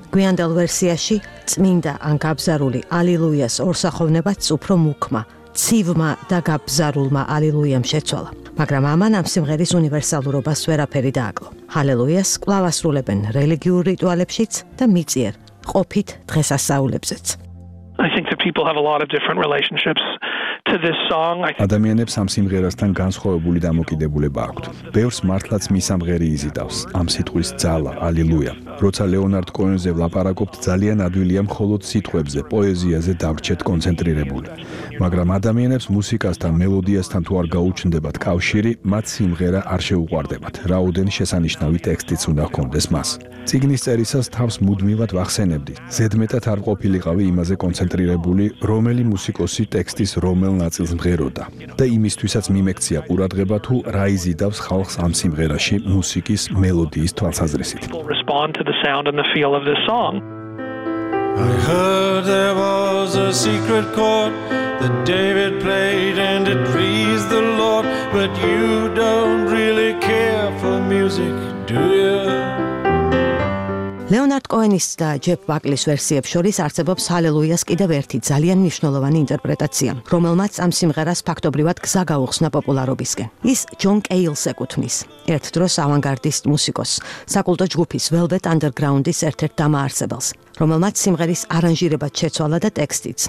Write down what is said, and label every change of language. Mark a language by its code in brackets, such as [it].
[ka] გვიანდელ ვერსიაში წმინდა ან გაბზარული ალილუიას ორსახოვნებაც უფრო მუქმა, ცივმა და გაბზარულმა ალილუიამ შეცვალა. მაგრამ ამან ამ სიმღერის უნივერსალურობას ვერაფერი დააკლო. ჰალელუიას კვლავ ასრულებენ რელიგიურ რიტუალებშიც და მიწიერ ყოფით დღესასწაულებზეც. [en] I think that people have a lot of different relationships to this song. [ka] ადამიანებს ამ სიმღერასთან განსხვავებული დამოკიდებულება აქვთ. ბევრს მართლაც მისამღერი იზიდავს ამ სიტყვის ძალა, ალილუია. როცა ლეონარდ კოენზე ვლაპარაკობთ, ძალიან ადვილია მხოლოდ სიტყვებზე, პოეზიაზე დაგრჩეთ კონცენტრირებული. მაგრამ ადამიანებს მუსიკასთან, მელოდიასთან თუ არ გაუჩნდებათ კავშირი, მათ სიმღერა არ შეუყვარდებათ. რაოდენ შესანიშნავი ტექსტიც უნდა ჰქონდეს მას. ციგნის წერისას თავს მუდმივად ვახსენებდი. ზედმეტად არ ყოფილიყავი იმაზე კონცენტრირებული, რომელი მუსიკოსი ტექსტის რომელ ნაწილს მღეროდა. და იმისთვისაც მიმექცია ყურადღება თუ რა იზიდავს ხალხს ამ სიმღერაში მუსიკის მელოდიის თვალსაზრისით. [en] To the sound and the feel of this song. I heard there was a secret chord that David played and it pleased the Lord, but you don't really care for music, do you? [ka] ლეონარდ კოენის და ჯეფ ბაკლის ვერსიებს შორის არსებობს ჰალელუიას კიდევ ერთი ძალიან მნიშვნელოვანი ინტერპრეტაცია, რომელმაც ამ სიმღერას ფაქტობრივად გზა გაუხსნა პოპულარობისკენ. ის ჯონ კეილს ეკუთვნის, ერთ დროს ავანგარდისტ მუსიკოსს, საკულტო ჯგუფის ველვეტ ანდერგრაუნდის ერთ-ერთ დამაარსებელს, რომელმაც სიმღერის არანჟირება შეცვალა და ტექსტიც.